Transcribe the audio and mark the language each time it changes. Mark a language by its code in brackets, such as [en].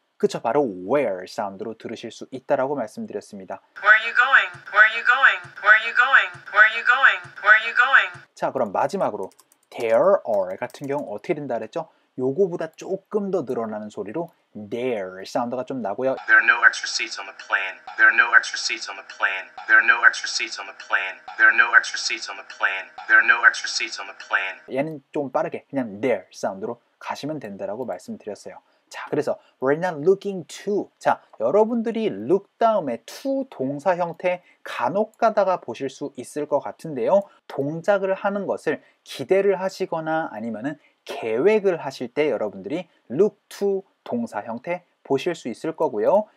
[ko] 그쵸, 바로 where 사운드로 들으실 수 있다라고 말씀드렸습니다. [en] Where are you going? Where are you going? Where are you going? Where are you going? Where are you going? [ko] 자, 그럼 마지막으로 there are 같은 경우 어떻게 된다 그랬죠? 요거보다 조금 더 늘어나는 소리로 there 사운드가 좀 나고요. [en] There are no extra seats on the plane. There are no extra seats on the plane. There are no extra seats on the plane. There are no extra seats on the plane. There are no extra seats on the plane. [ko] 얘는 좀 빠르게 그냥 there 사운드로 가시면 된다라고 말씀드렸어요. 자, 그래서 [en] we're not looking to. [ko] 자, 여러분들이 look 다음에 to 동사 형태 간혹 가다가 보실 수 있을 것 같은데요. 동작을 하는 것을 기대를 하시거나 아니면은 계획을 하실 때 여러분들이 look to 동사 형태 보실 수 있을 거고요.